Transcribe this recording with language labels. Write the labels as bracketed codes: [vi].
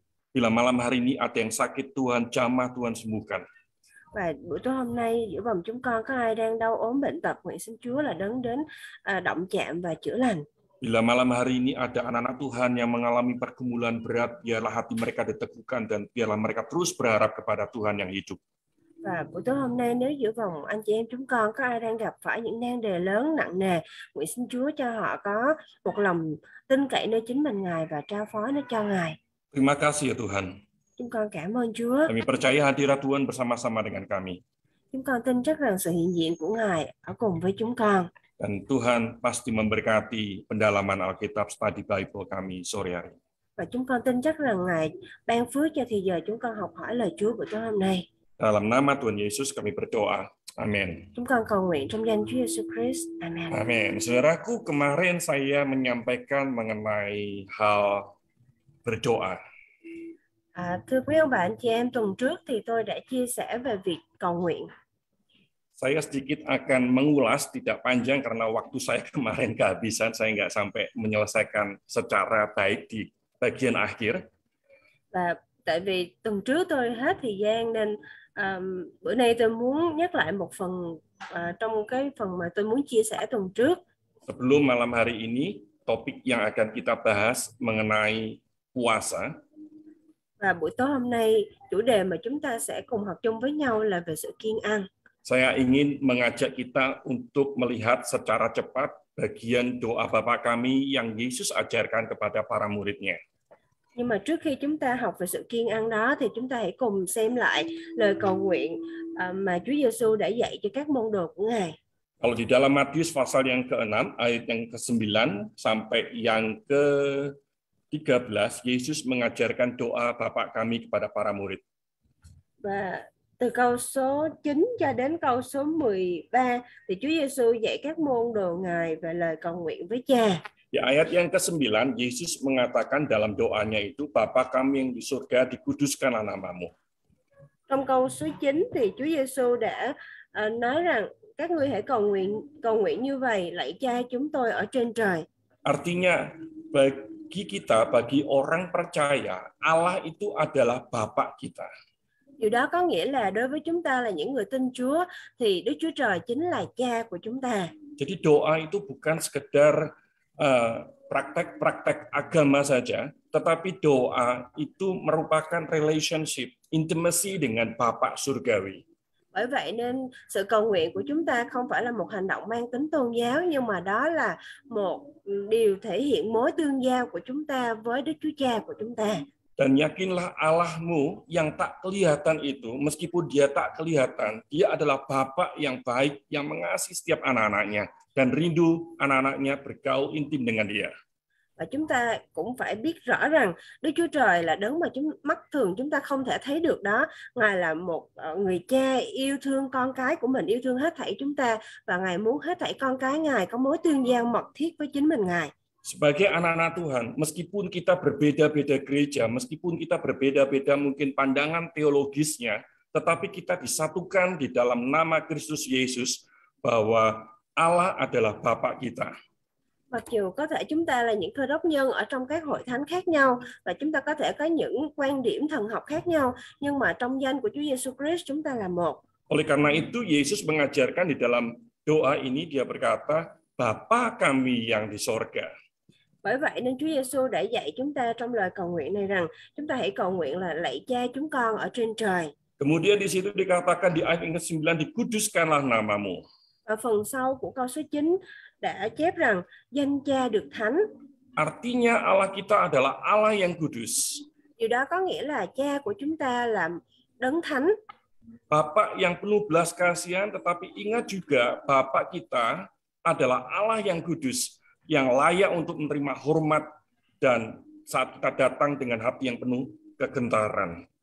[id] Bila malam hari ini ada yang sakit, Tuhan jamah, Tuhan sembuhkan. [vi] Và buổi tối hôm nay giữa vòng chúng con có ai đang đau ốm bệnh tật, nguyện xin Chúa là đấng đến động chạm và chữa lành. [id] Bila malam hari ini ada anak-anak Tuhan yang mengalami pergumulan berat, biarlah hati mereka diteguhkan dan biarlah mereka terus berharap kepada Tuhan yang hidup. [vi] Và buổi tối hôm nay nếu giữa vòng anh chị em chúng con có ai đang gặp phải những nan đề lớn nặng nề, nguyện xin Chúa cho họ có một lòng tin cậy nơi chính mình Ngài và trao phó nó cho Ngài. [id] Terima kasih ya Tuhan. [vi] Chúng con cảm ơn Chúa. [id] Kami percaya hadirat Tuhan bersama-sama dengan kami. [vi] Chúng con tin chắc rằng sự hiện diện của Ngài ở cùng với chúng con. [id] Dan Tuhan pasti memberkati pendalaman Alkitab [en] study Bible [id] kami sore hari. [vi] Và chúng con tin chắc rằng Ngài ban phước cho thời giờ chúng con học hỏi lời Chúa buổi tối hôm nay. [id] Dalam nama Tuhan Yesus kami berdoa. Amin. [vi] Chúng con cầu nguyện trong danh Chúa Jesus Christ. Amin. [id] Amin. Saudaraku, kemarin saya menyampaikan mengenai hal berdoa. [vi] Thưa quý ông bà anh chị em, tuần trước thì tôi đã chia sẻ về việc cầu nguyện. [id] Saya sedikit akan mengulas tidak panjang karena waktu saya kemarin kehabisan, saya nggak sampai menyelesaikan secara baik di bagian akhir. [vi] Và tại vì tuần trước tôi hết thời gian nên bữa nay tôi muốn nhắc lại một phần trong cái phần mà tôi muốn chia sẻ tuần trước. [id] Sebelum malam hari ini, topik yang akan kita bahas mengenai puasa. [vi] Và buổi tối hôm nay, chủ đề mà chúng ta sẽ cùng học chung với nhau là về sự kiêng ăn. [id] Saya ingin mengajak kita untuk melihat secara cepat bagian doa Bapa kami yang Yesus ajarkan kepada para murid-Nya. [vi] Nhưng mà trước khi chúng ta học về sự kiêng ăn đó, thì chúng ta hãy cùng xem lại lời cầu nguyện mà Chúa Giê-xu đã dạy cho các môn đồ của Ngài. [id] Kalau di dalam Matius pasal yang ke-6, ayat yang ke-9 sampai yang ke-13, Yesus mengajarkan doa Bapa kami kepada para murid. [vi] Và từ câu số 9 cho đến câu số 13 thì Chúa Giê-xu dạy các môn đồ Ngài về lời cầu nguyện với Cha. [id] Di ayat yang ke-9, Yesus mengatakan dalam doanya itu, Bapa kami yang di surga, dikuduskanlah nama-Mu. [vi] Trong câu số 9 thì Chúa Giê-xu đã nói rằng các ngươi hãy cầu nguyện như vậy, lạy Cha chúng tôi ở trên trời. [id] Artinya bagi kita, bagi orang percaya, Allah itu adalah Bapa kita. [vi] Điều đó có nghĩa là đối với chúng ta là những người tin Chúa thì Đức Chúa Trời chính là Cha của chúng ta. [id] Jadi doa itu bukan sekedar praktek-praktek agama saja, tetapi doa itu merupakan [en] relationship, intimacy [id] dengan Bapa surgawi. [vi] Bởi vậy nên sự cầu nguyện của chúng ta không phải là một hành động mang tính tôn giáo, nhưng mà đó là một điều thể hiện mối tương giao của chúng ta với Đức Chúa Cha của chúng ta. [id] Dan yakinlah Allahmu yang tak kelihatan itu, meskipun dia tak kelihatan, dia adalah Bapa yang baik, yang mengasihi setiap anak-anaknya, dan rindu anak-anaknya bergaul intim dengan dia. [vi] Và chúng ta cũng phải biết rõ rằng Đức Chúa Trời là đấng mà chúng mắt thường chúng ta không thể thấy được đó. Ngài là một người cha yêu thương con cái của mình, yêu thương hết thảy chúng ta. Và Ngài muốn hết thảy con cái Ngài có mối tương giao mật thiết với chính mình Ngài. [id] Sebagai anak-anak Tuhan, meskipun kita berbeda-beda gereja, meskipun kita berbeda-beda mungkin pandangan teologisnya, tetapi kita disatukan di dalam nama Kristus Yesus bahwa Allah adalah Bapa kita. [vi] Mặc dù có thể chúng ta là những cơ đốc nhân ở trong các hội thánh khác nhau và chúng ta có thể có những quan điểm thần học khác nhau, nhưng mà trong danh của Chúa Jesus Christ chúng ta là một. [id] Oleh karena itu Yesus mengajarkan di dalam doa ini dia berkata, Bapa kami yang di sorga. [vi] Bởi vậy nên Chúa Jesus đã dạy chúng ta trong lời cầu nguyện này rằng chúng ta hãy cầu nguyện là lạy Cha chúng con ở trên trời. [id] Kemudian di situ dikatakan di ayat 9 dikuduskanlah namamu. [vi] Ở phần sau của câu số 9 đã chép rằng danh Cha được thánh. [id] Artinya Allah kita adalah Allah yang kudus. [vi] Điều đó có nghĩa là Cha của chúng ta là đấng thánh. [id] Bapa yang penuh belas kasihan, tetapi ingat juga Bapa kita adalah Allah yang kudus, yang layak untuk menerima hormat dan saat kita datang dengan hati yang penuh kegentaran.